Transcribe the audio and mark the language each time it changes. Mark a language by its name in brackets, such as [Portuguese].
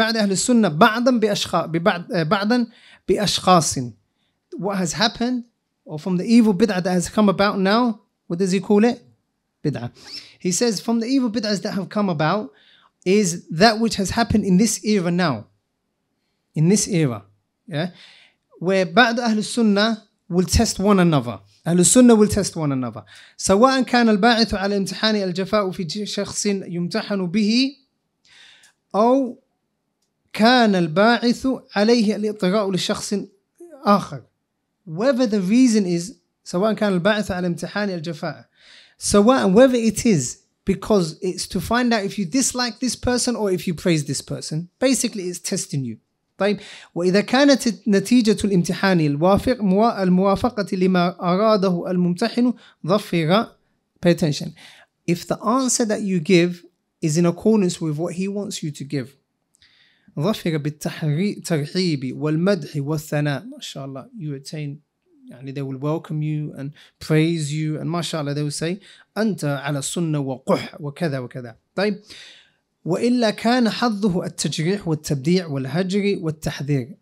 [Arabic] السنة بعضا بأشخاص, [English] what has happened, or from the evil bid'ah that has come about now, what does he call it? Bid'ah. He says, from the evil bid'ahs that have come about, is that which has happened in this era now. In this era. Yeah? Where بعض أهل السنة will test one another. أهل السنة will test one another. [Arabic] سواء كان الباعث على امتحان الجفاء في شخص يمتحن به, أو كان الباعث عليه الإطراء لشخص آخر. [English] Whether the reason is [Arabic] سواء كان الباعث على امتحان الجفاء, [English] سواء, whether it is because it's to find out if you dislike this person or if you praise this person, basically it's testing you. [Arabic] طيب وإذا كانت نتيجة الامتحان الوافق الموافقة لما أراده الممتحن ظفر. [English] Pay attention. If the answer that you give is in accordance with what he wants you to give, [Arabic] ظفر بالترحيب والمدح والثناء, [English] mashallah, you attain, يعني they will welcome you and praise you, and mashallah, they will say [Arabic] أنت على السنة وقح وكذا وكذا. طيب وإلا كان حظه التجريح والتبديع والهجر والتحذير.